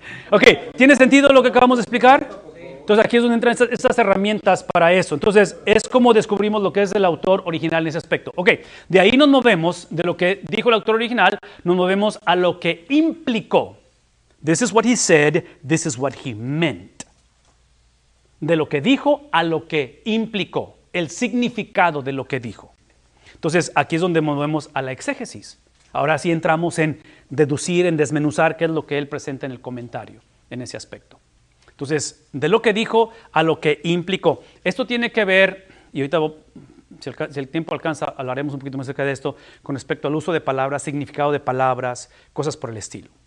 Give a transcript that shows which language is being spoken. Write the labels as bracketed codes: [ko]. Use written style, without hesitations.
[es] Ok, ¿tiene sentido lo que acabamos de explicar? Entonces aquí es donde entran estas herramientas para eso. Entonces es como descubrimos lo que es el autor original en ese aspecto. Ok, de ahí nos movemos, de lo que dijo el autor original, nos movemos a lo que implicó. [en] This is what he said, this is what he meant. [es] De lo que dijo a lo que implicó, el significado de lo que dijo. Entonces aquí es donde movemos a la exégesis. Ahora sí entramos en deducir, en desmenuzar qué es lo que él presenta en el comentario, en ese aspecto. Entonces, de lo que dijo a lo que implicó. Esto tiene que ver, y ahorita si el tiempo alcanza, hablaremos un poquito más acerca de esto, con respecto al uso de palabras, significado de palabras, cosas por el estilo.